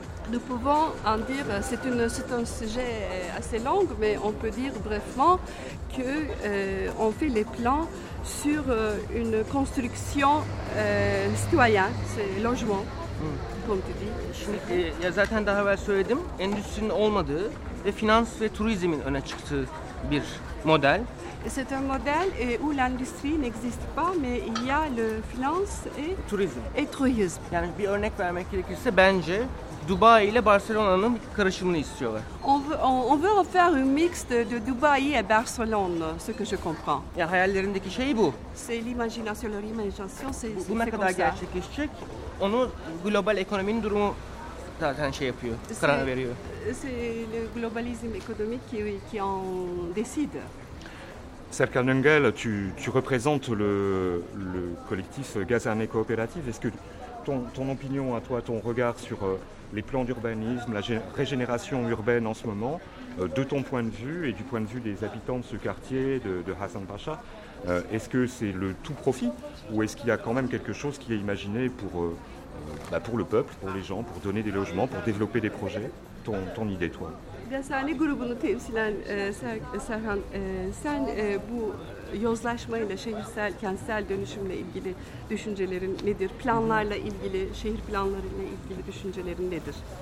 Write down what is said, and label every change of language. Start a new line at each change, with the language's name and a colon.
French: Nous pouvons en dire, c'est un sujet assez long, mais on peut dire brefement qu'on fait les plans sur une construction citoyenne, c'est logement, comme tu dis.
Turkish: Ya zaten daha evvel söyledim, endüstrinin olmadığı ve finans ve turizmin öne çıktığı bir model.
French: C'est un modèle où l'industrie n'existe pas, mais il y a le finance et tourisme. Et tourisme.
Turkish: Yani bir örnek vermek gerekirse bence Dubai ile Barcelona'nın karışımını istiyorlar.
French: On veut en faire un mix de Dubai et Barcelone, ce que je comprends.
Turkish: Ya hayallerindeki şey bu.
French: C'est l'imagination, leur imagination, c'est comme
Turkish: ça. Bu ne kadar gerçekleşecek? Onu global ekonominin durumu zaten şey yapıyor, karar veriyor.
French: C'est le globalisme économique qui en décide. Serkan Öngel, tu représentes le collectif Gazerne Coopérative. Est-ce que ton opinion à toi, ton regard sur les plans d'urbanisme, la régénération urbaine en ce moment, de ton point de vue et du point de vue des habitants de ce quartier de Hassan Pasha, est-ce que c'est le tout profit ou est-ce qu'il y a quand même quelque chose qui est imaginé pour le peuple, pour les gens, pour donner des logements, pour développer des projets ? Ton idée, toi ?
Turkish: Gazerne grubunu temsil eden Serhan, sen bu yozlaşmayla, şehirsel, kentsel dönüşümle ilgili düşüncelerin nedir? Planlarla ilgili, şehir planlarıyla ilgili düşüncelerin nedir?